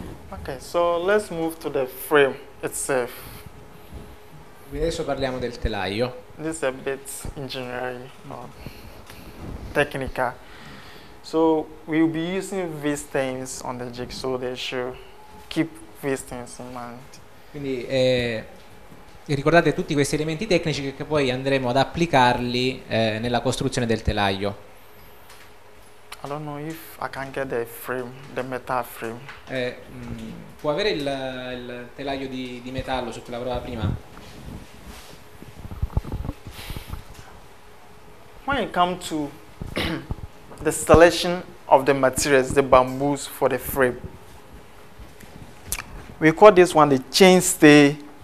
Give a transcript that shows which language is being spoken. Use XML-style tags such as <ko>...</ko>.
<en>Okay, so let's move to the frame itself.</en> <it>Adesso parliamo del telaio.</it> <en>This is a bit engineering or technical. So we'll be using these things on the jig, so they should keep these things in mind.</en> <it>Quindi ricordate tutti questi elementi tecnici che poi andremo ad applicarli nella costruzione del telaio.</it> <en>I don't know if I can get the frame, the metal frame.</en> <it>Può avere il telaio di metallo su cui lavorava prima?</it> <en>When it comes to the selection of the materials, the bamboos for the frame, we call this one the chainstay.</en>